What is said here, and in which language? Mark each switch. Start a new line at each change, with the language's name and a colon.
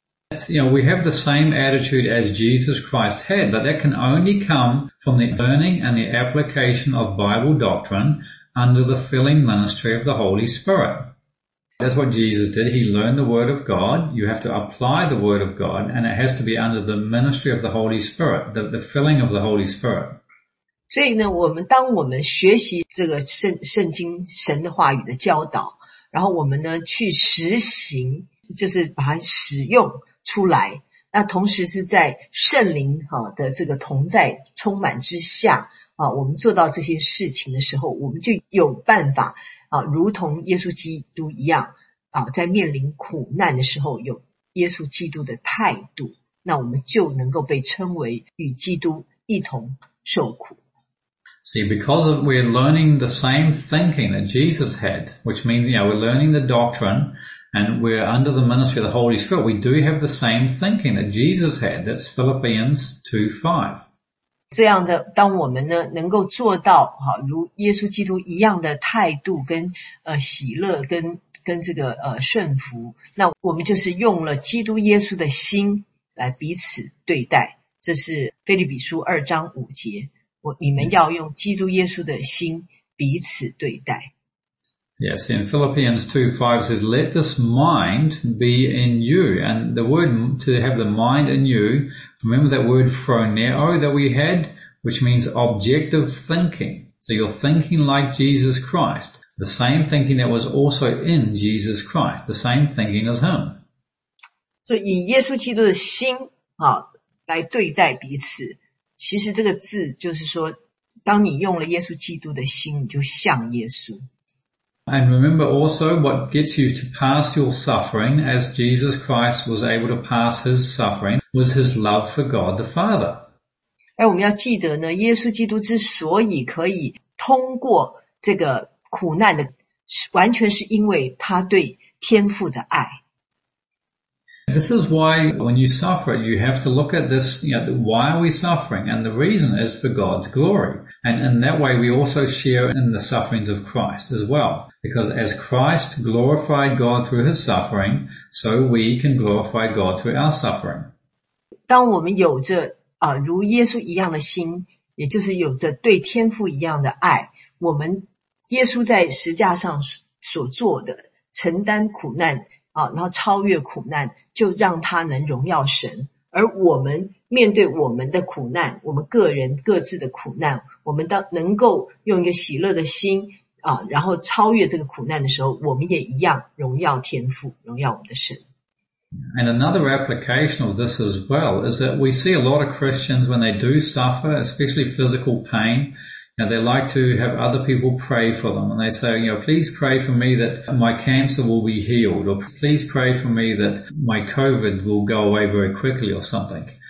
English: That's, you know, we have the same attitude as Jesus Christ had, but that can only come from the learning and the application of Bible doctrine under the filling ministry of the Holy Spirit. That's what Jesus did. He learned the word of God. You have to apply the word of God, and it has to be under the ministry of the Holy Spirit, the filling of the Holy Spirit.
Chinese: 所以呢，我们当我们学习这个圣经神的话语的教导，然后我们呢去实行，就是把它使用出来。那同时是在圣灵的这个同在充满之下啊，我们做到这些事情的时候，我们就有办法。如同耶稣基督一样在面临苦难的时候有耶稣基督的态度，那我们就能够被称为与基督一同受苦。
English: See, because we're learning the same thinking that Jesus had, which means, you know, we're learning the doctrine and we're under the ministry of the Holy Spirit, we do have the same thinking that Jesus had. That's Philippians 2:5.
Chinese: 这样的，当我们呢能够做到如耶稣基督一样的态度跟喜乐跟这个顺服，那我们就是用了基督耶稣的心来彼此对待。这是腓立比书2:5，你们要用基督耶稣的心彼此对待。
English: Yes, in Philippians 2:5 says, let this mind be in you. And the word to have the mind in you, remember that word phroneo that we had which means objective thinking. So you're thinking like Jesus Christ, the same thinking that was also in Jesus Christ, the same thinking as him.
Chinese: 所以以耶稣基督的心啊来对待彼此，其实这个字就是说，当你用了耶稣基督的心，你就像耶稣。
English: And remember also what gets you to pass your suffering as Jesus Christ was able to pass his suffering was his love for God the Father.
Chinese: 哎，我们要记得呢，耶稣基督之所以可以通过这个苦难的，完全是因为他对天父的爱。
English: This is why when you suffer, you have to look at this, you know, why are we suffering? And the reason is for God's glory. And in that way, we also share in the sufferings of Christ as well. Because as Christ glorified God through his suffering, so we can glorify God through our suffering.
Chinese: 当我们有着如耶稣一样的心，也就是有着对天父一样的爱，我们耶稣在十架上所做的承担苦难然后超越苦难，就让他能荣耀神。而我们面对我们的苦难，我们个人各自的苦难，我们当能够用一个喜乐的心然后超越这个苦难的时候，我们也一样荣耀天父，荣耀我们的神。
English: And another application of this as well is that we see a lot of Christians when they do suffer, especially physical pain,Now, they like to have other people pray for them, and they say, you know, please pray for me that my cancer will be healed, or please pray for me that my COVID will go away very quickly or something.